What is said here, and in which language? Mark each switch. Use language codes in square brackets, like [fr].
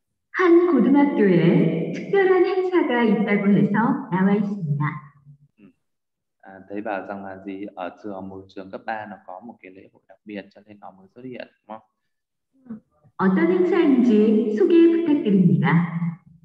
[ko] 한 고등학교에 특별한 행사가 있다고 해서 나와 있습니다. [vi] À, thấy bảo rằng là gì? Ở trường, một trường cấp 3 nó có một cái lễ hội đặc biệt cho nên nó mới xuất hiện, đúng không? [ko] 어떤 행사인지 소개 부탁드립니다.